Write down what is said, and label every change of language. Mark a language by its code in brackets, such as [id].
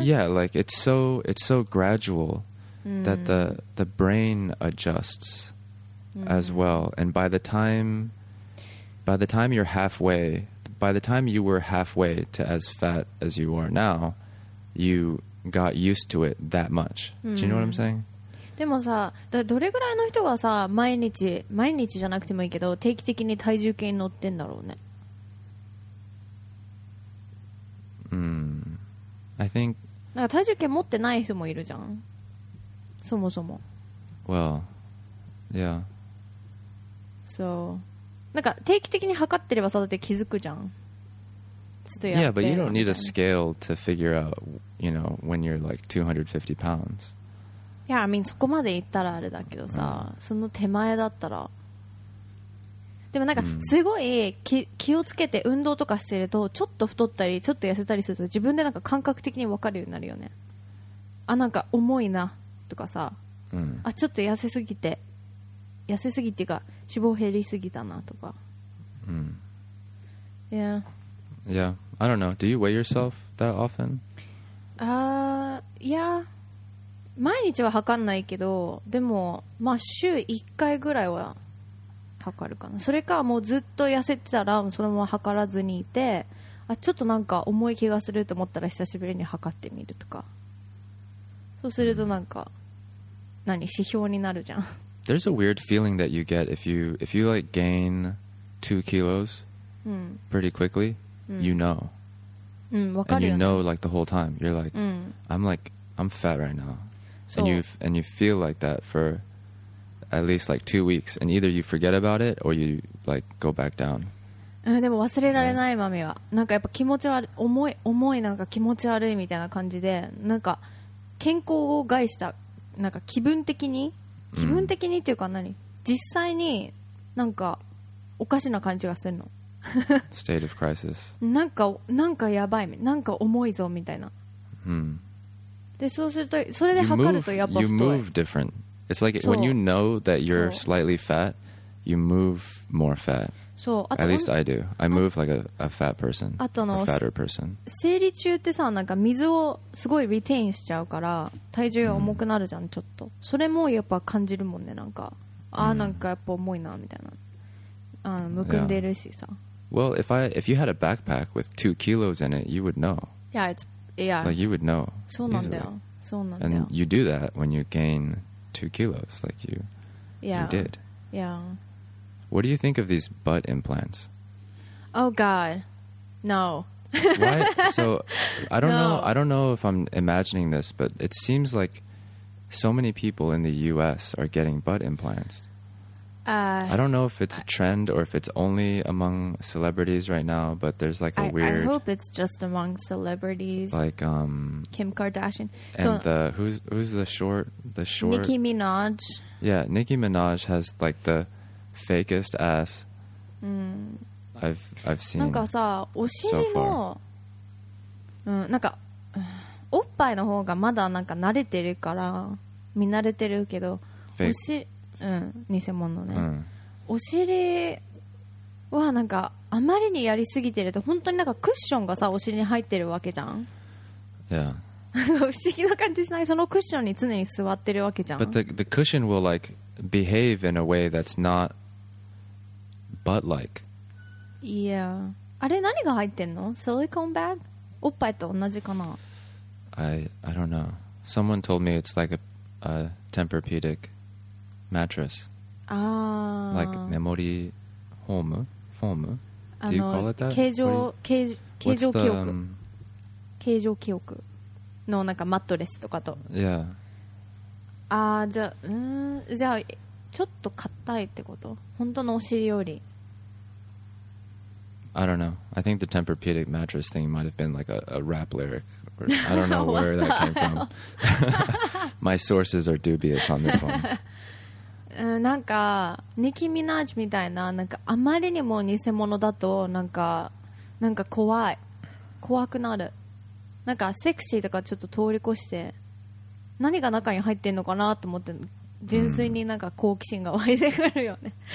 [en] Yeah, like, it's so gradual. that the brain adjusts as well. And by the time you're halfway, by the time you were halfway to as fat as you are now, you got used to it that much. Do you know what I'm saying? [ja] でもさ、どれぐらいの人がさ、毎日じゃなくてもいいけど、定期的に体重計に乗ってんだろうね。 [en] I think [ja] なんか体重計持ってない人もいるじゃん。そもそも。 [en] Well, yeah. [ja] So, なんか定期的に測ってればさ、だって気づくじゃん。ちょっとやって。 [en] Yeah, but you don't need a scale to figure out, you know, when you're like 250 pounds. [ja] いや、 [en] I mean, [ja] そこまで行ったらあれだけどさ、その手前だったら。でもなんか、すごい気をつけて運動とかしてると、ちょっと太ったり、ちょっと痩せたりすると、自分でなんか感覚的に分かるようになるよね。あ、なんか重いな、とかさ。あ、ちょっと痩せすぎっていうか、脂肪減りすぎたな、とか。 [en] Yeah. Yeah. I don't know. Do you weigh yourself that often? Yeah. [ja] 毎日は測んないけど、でもまあ週1回ぐらいは測るかな。それかもうずっと痩せてたらそのまま測らずにいて、あちょっとなんか重い気がすると思ったら久しぶりに測ってみるとか。そうするとなんか何指標になるじゃん。 [en] There's a weird feeling that you get if you like gain 2 kilos pretty quickly, you know. [ja] わかるよね。 [en] And you know like the whole time. You're like, I'm fat right now. And you feel like that for at least like 2 weeks, and either you forget about it or you like go back down. [ja] でも忘れられないマミは、なんかやっぱ気持ち悪い、重いなんか気持ち悪いみたいな感じで、なんか健康を害した、なんか気分的にっていうか何、実際になんかおかしな感じがするの。 [en] State of crisis. [ja] なんかやばい、なんか重いぞみたいな。でそうするとそれで測るとやっぱ太い。 [en] You move different. It's like when you know that you're slightly fat, you move more fat. [ja] そう。 [en] At least I do. I move like a fat person. [ja] あとの [en] a fatter person. [ja] 生理中ってさなんか水をすごいリテインしちゃうから体重が重くなるじゃん、ちょっと。それもやっぱ感じるもんね、なんか。ああなんかやっぱ重いなみたいな。あのむくんでるしさ。 [en] Well, if you had a backpack with 2 kilos in it, you would know. Yeah, it's. Yeah. Like you would know. [ja] そうなんだよ。そうなんだよ。 [en] And you do that when you gain 2 kilos, like you, yeah. you did. Yeah. What do you think of these butt implants? Oh God, no. Why? So, I don't know. I don't know if I'm imagining this, but it seems like so many people in the U.S. are getting butt implants. I don't know if it's a trend or if it's only among celebrities right now, but there's like a weird... I hope it's just among celebrities. Like, Kim Kardashian. And so, who's the short... The short... Nicki Minaj. Yeah, Nicki Minaj has like the fakest ass I've seen [ja] なんかさ、お尻の... [en] so far. [ja] なんか、おっぱいの方がまだなんか慣れてるから、見慣れてるけど、 [en] Fake. [ja] お尻偽物のね、お尻はなんかあまりにやりすぎてると本当になんかクッションがさお尻に入ってるわけじゃん。いや、不思議な感じしない？そのクッションに常に座ってるわけじゃん。 [en] But the cushion will like behave in a way that's not butt-like. [ja] Yeah. あれ何が入ってんの？シリコンバッグ？おっぱいと同じかな [en] ？I don't know. Someone told me it's like a Tempur-Pedic. Mattress. Like memory foam? Foam? Do you call it that? [ja] 形状記憶。形状記憶。のなんかマットレスとかと。 [en] Yeah. [ja] ああ、じゃあ、じゃあ、ちょっと硬いってこと？本当のお尻より。 [en] I don't know. I think the Tempur-Pedic mattress thing might have been like a rap lyric. Or, I don't know where that came from. My sources are dubious on this one. [ja] なんかニキミナージみたいな、なんかあまりにも偽物だとなんか怖くなる。なんかセクシーとかちょっと通り越して何が中に入ってんのかなと思って純粋になんか好奇心が湧いてくるよね。